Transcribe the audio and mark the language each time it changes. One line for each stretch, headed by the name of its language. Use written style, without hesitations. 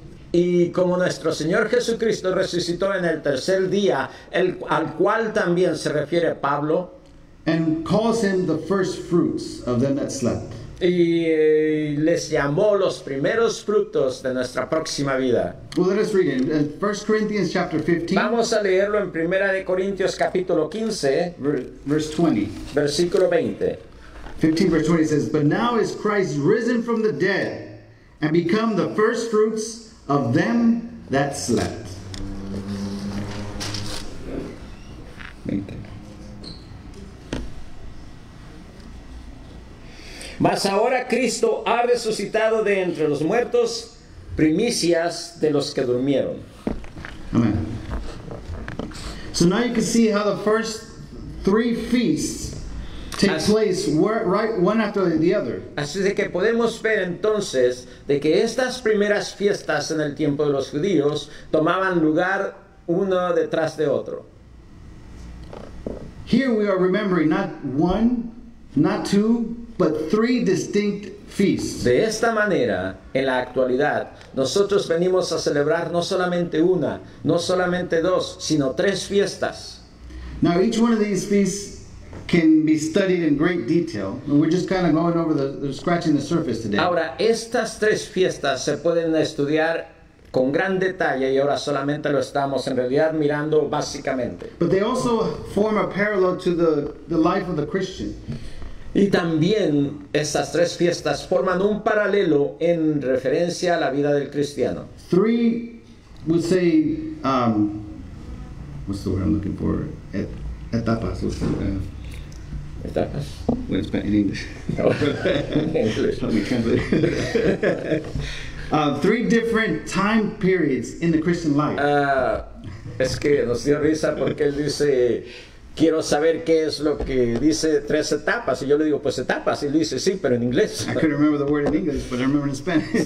Spanish: Y como nuestro Señor Jesucristo resucitó en el tercer día, al cual también se refiere Pablo.
English: And calls him the first fruits of them that slept.
Spanish: Y les llamó los primeros frutos de nuestra próxima vida.
English: Well, let us read it in 1 Corinthians chapter 15.
Spanish: Vamos a leerlo en 1 Corintios capítulo 15.
English: Verse 20.
Spanish: Versículo 20.
English: 15 verse 20 says, but now is Christ risen from the dead and become the first fruits of them that slept. 20.
Spanish: Mas ahora Cristo ha resucitado de entre los muertos, primicias de los que durmieron.
English: Amen. So now you can see how the first three feasts take place right one after the other.
Spanish: Así de que podemos ver entonces de que estas primeras fiestas en el tiempo de los judíos tomaban lugar uno detrás de otro.
English: Here we are remembering not one, not two, but three distinct feasts.
Spanish: De esta manera, en la actualidad, nosotros venimos a celebrar no solamente una, no solamente dos, sino tres fiestas.
English: Now each one of these feasts can be studied in great detail. We're just kind of going over the scratching the surface today.
Spanish: Ahora, estas tres fiestas se pueden estudiar con gran detalle y ahora solamente lo estamos en realidad mirando básicamente.
English: But they also form a parallel to the life of the Christian.
Spanish: Y también estas tres fiestas forman un paralelo en referencia a la vida del cristiano.
English: Three, we'll say, what's the word I'm looking for? Etapas. What's the,
Spanish: etapas?
English: When it's in English. English. Let me translate. Three different time periods in the Christian life.
Spanish: Es que nos dio risa porque él dice... Quiero saber qué es lo que dice tres etapas. Y yo le digo, pues etapas. Y él dice, sí, pero en inglés.
English: I couldn't remember the word in English, but I remember in Spanish.